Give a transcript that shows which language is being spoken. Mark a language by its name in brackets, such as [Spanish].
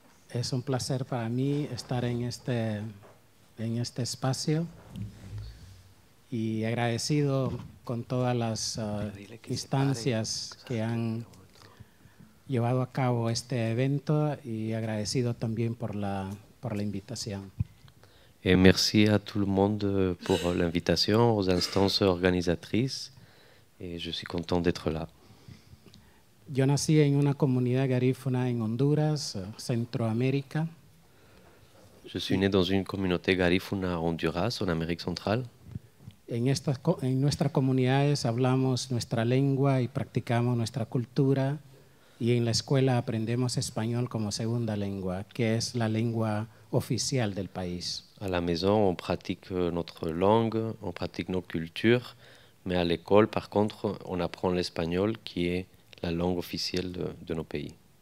[Spanish] Es un placer para mí estar en este espacio y agradecido con todas las instancias que han llevado a cabo este evento y agradecido también por la invitación. [French] Et merci à tout le monde pour l'invitation, aux instances organisatrices, et je suis content d'être là. [Spanish] Yo nací en una comunidad garífuna en Honduras, Centroamérica. [French] Je suis né dans une communauté garífuna en Honduras, en Amérique centrale. [Spanish] En nuestras comunidades hablamos nuestra lengua y practicamos nuestra cultura, y en la escuela aprendemos español como segunda lengua, que es la lengua oficial del país. [French] À la maison, on pratique notre langue, on pratique nos cultures, mais à l'école, par contre, on apprend l'espagnol, qui est la langue officielle de nos pays.